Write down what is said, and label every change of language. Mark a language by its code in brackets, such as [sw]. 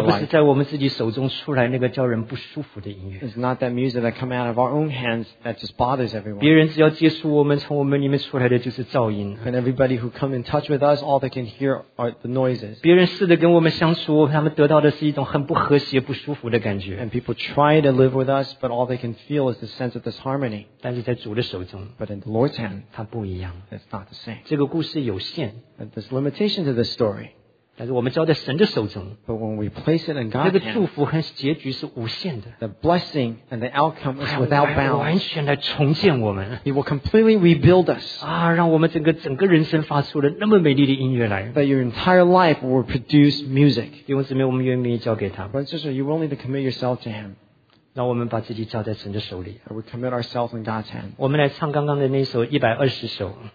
[zh] 而不是在我们自己手中出来那个叫人不舒服的音乐。 [en] It's not that music that comes out of our own hands that just bothers everyone. [zh] 别人只要接触我们，从我们里面出来的就是噪音。 [en] And everybody who comes in touch with us, all they can hear are the noises. [zh] 别人试着跟我们相处，他们得到的是一种很不和谐、不舒服的感觉。 [en] And people try to live with us, but all they can feel is the sense of disharmony. [zh] 但是在主的手中 [en] ，But in the Lord's hand, [zh] 它不一样。 [en] It's not the same. [zh] 这个故事有限。 [en] But there's limitation to this story. [zh] 但是我们交在神的手中 [en] But when we place it in God's hand, [zh] 那个祝福和结局是无限的 [en] The blessing and the outcome is without bounds [zh] 完全来重建我们 [en] He will completely rebuild us [zh] 啊，让我们整个人生发出了那么美丽的音乐来 [en] That your entire life will produce music [zh] 弟兄姊妹我们愿意交给他 [en] But sister, you're willing to commit yourself to him [zh] 让我们把自己交在神的手里 [en] We commit ourselves in God's hand [zh] 我们来唱刚刚的那首120首